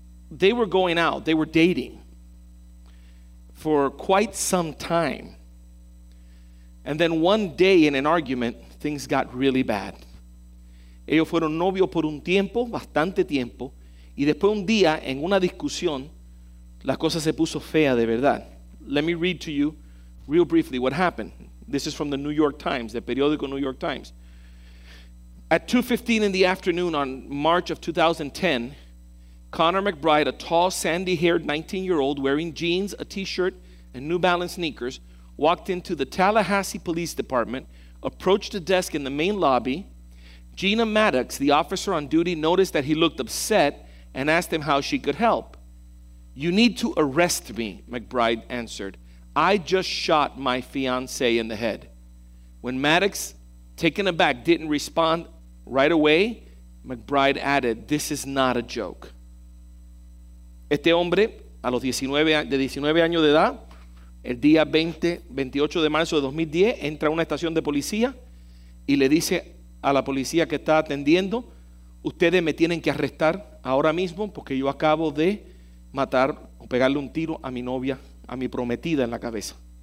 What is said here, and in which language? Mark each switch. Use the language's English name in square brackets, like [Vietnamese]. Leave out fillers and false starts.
[English] They were going out, they were dating for quite some time. And then one day in an argument, things got really bad. [Spanish] Ellos fueron novios por un tiempo, bastante tiempo, y después un día, en una discusión, la cosa se puso fea de verdad. [English] Let me read to you real briefly what happened. This is from the New York Times, the periódico New York Times. At 2:15 in the afternoon on March of 2010, Connor McBride, a tall, sandy-haired 19-year-old wearing jeans, a T-shirt, and New Balance sneakers, walked into the Tallahassee Police Department, approached a desk in the main lobby. Gina Maddox, the officer on duty, noticed that he looked upset and asked him how she could help. "You need to arrest me," McBride answered. "I just shot my fiancé in the head." When Maddox, taken aback, didn't respond right away, McBride added, "This is not a joke." [Spanish] Este hombre, a los 19 años de edad, el día 28 de marzo de 2010, entra a una estación de policía y le dice a la policía que está atendiendo, "Ustedes me tienen que arrestar ahora mismo porque yo acabo de matar o pegarle un tiro a mi novia, a mi prometida en la cabeza."